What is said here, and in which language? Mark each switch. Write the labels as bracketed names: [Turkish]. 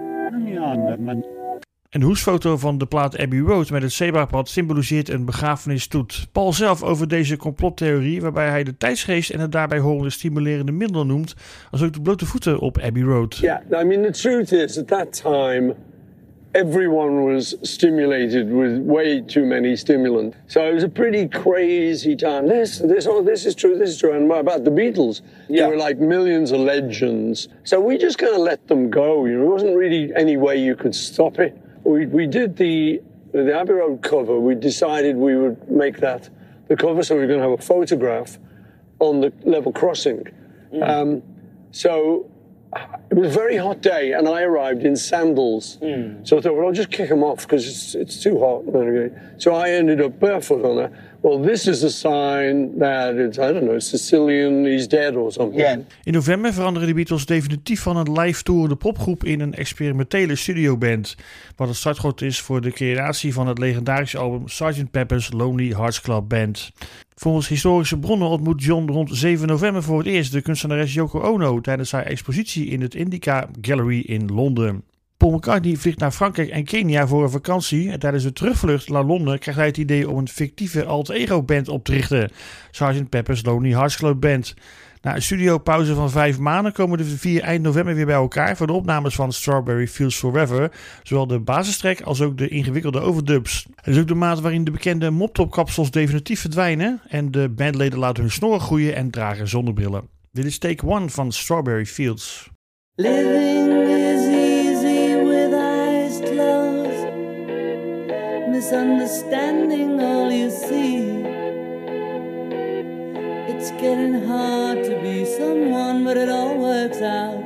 [English] Number nine. [Dutch] Een hoesfoto van de plaat Abbey Road met het zebrapad symboliseert een begrafenisstoet. Paul zelf over deze complottheorie, waarbij hij de tijdsgeest en het daarbij horende stimulerende middel noemt, als ook de blote voeten op Abbey Road. [English] Yeah, I mean the truth is at that time everyone was stimulated with way too many stimulants. So it was a pretty crazy time. This is true. And what about the Beatles? Yeah. There were like millions of legends. So we just kind of let them go. You know, there wasn't really any way you could stop it. We did the Abbey Road cover. We decided we would make that the cover, so we were going to have a photograph on the level crossing. Mm. So it was a very hot day, and I arrived in sandals. Mm. So I thought, well, I'll just kick them off because it's too hot. So I ended up barefoot on there. Well, this is a sign that it's, I don't know, Sicilian, he's dead or something. Yeah. [Dutch] In november veranderen de Beatles definitief van een live tourende popgroep in een experimentele studioband. Wat het startschot is voor de creatie van het legendarische album Sgt. Pepper's Lonely Hearts Club Band. Volgens historische bronnen ontmoet John rond 7 november voor het eerst de kunstenares Yoko Ono tijdens haar expositie in het Indica Gallery in Londen. Paul McCartney vliegt naar Frankrijk en Kenia voor een vakantie en tijdens de terugvlucht naar Londen krijgt hij het idee om een fictieve alt-ego-band op te richten, Sgt. Pepper's Lonely Hearts Club Band. Na een studiopauze van 5 maanden komen de 4 eind november weer bij elkaar voor de opnames van Strawberry Fields Forever, zowel de basistrack als ook de ingewikkelde overdubs. Het is ook de maat waarin de bekende moptopkapsels definitief verdwijnen en de bandleden laten hun snorren groeien en dragen zonnebrillen. Dit is take one van Strawberry Fields. [English] Living is easy with eyes closed, misunderstanding all you see. It's getting hard to be someone, but it all works out.